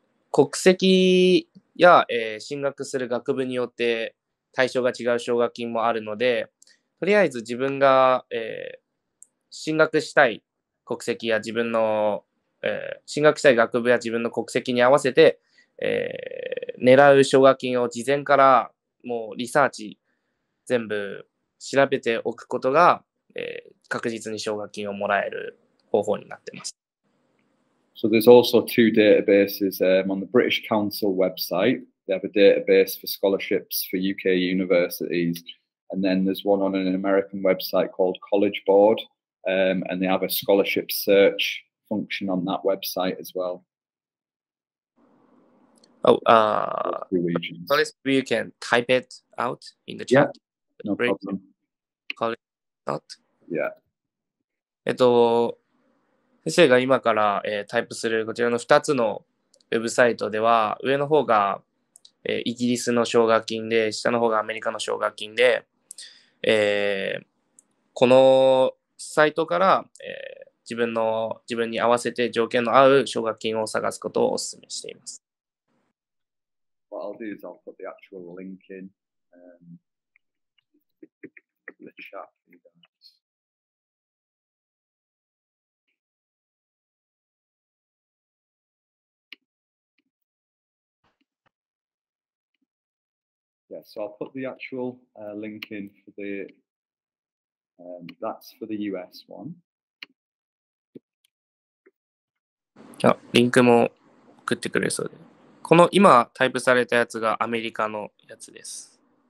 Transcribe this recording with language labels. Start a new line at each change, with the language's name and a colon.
Japanese: 国籍や、進学する学部によって対象が違う奨学金もあるので、とりあえず自分が、進学したい国籍や自分の、進学したい学部や自分の国籍に合わせて、狙う奨学金を事前からもうリサーチ全部調べておくことが、確実に奨学金をもらえる方法になっています。
English: So there's also two databases、on the British Council website. They have a database for scholarships for UK universities. And then there's one on an American website called College Board.、and they have a scholarship search function on that website as well. So you can type it out in the chat. Yeah, no problem. College. Yeah.
Japanese: 先生が今から、タイプするこちらの2つのウェブサイトでは、上の方が、イギリスの奨学金で、下の方がアメリカの奨学金で、このサイトから、自分に合わせて条件の合う奨学金を探すことをお勧めしています。
English: What I'll do is I'll put the actual link in, the chat for you guys. Yeah, so I'll put the actual、link in for the,、that's for the US one.
Japanese: あ、リンクも送ってくれそうで。この今タイプされたやつがアメリカのやつです。